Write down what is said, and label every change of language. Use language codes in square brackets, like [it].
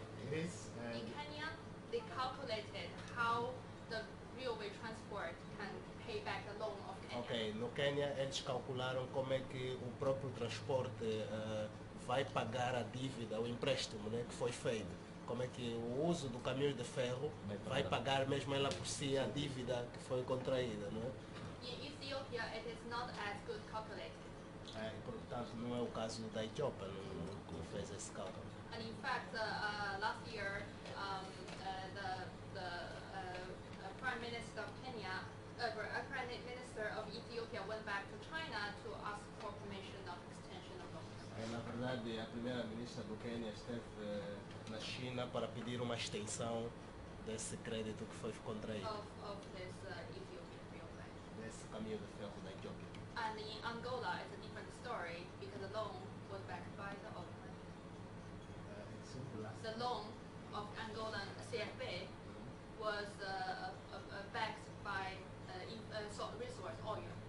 [en] In Kenya, they calculated how the railway transport can pay back the loan of Kenya. [pt] Okay, no Quênia eles calcularam como é que o próprio transporte vai pagar a dívida, o empréstimo, né, que foi feito. Como é que o uso do caminho de ferro vai pagar mesmo ela por si a dívida que foi contraída, não é? [en] In Ethiopia, it is not as good calculated. [pt] É, portanto, não é o caso da Etiópia que fez esse cálculo. [en] And in fact, last year, Prime Minister of Kenya, Prime Minister of Ethiopia, went back to China to ask for permission of extension of loans. [pt] É, na verdade, a primeira ministra do Quênia esteve na China para pedir uma extensão desse crédito que foi contraído. [en] Of this Ethiopian railway. [pt] Desse caminho de ferro da Etiópia. [en] And in Angola, it's a different story because the loan was backed by the oil money. The loan of Angolan CFB was backed by resource oil.